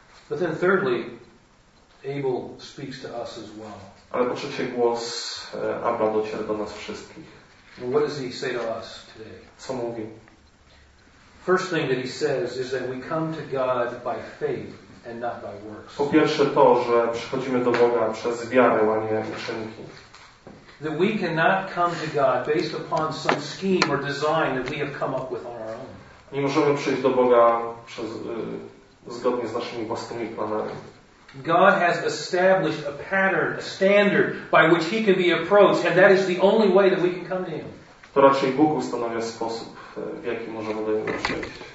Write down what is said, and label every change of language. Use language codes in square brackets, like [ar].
[en] But then thirdly, Abel speaks to us as well. [pl] Ale po trzecie, głos Abla dociera do nas wszystkich. [en] Well, what does he say to us today? [pl] Co mówi? [en] First thing that he says is that we come to God by faith and not by works. [pl] Po pierwsze to, że przychodzimy do Boga przez wiarę, a nie uczynki. [en] That we cannot come to God based upon some scheme or design that we have come up with on our own. [pl] Nie możemy przyjść do Boga przez zgodnie z naszymi własnymi planami. [en] God has established a pattern, a standard by which he can be approached, and that is the only way that we can come to him. [pl] To raczej Bóg ustanawia sposób, w jaki możemy do niego przyjść.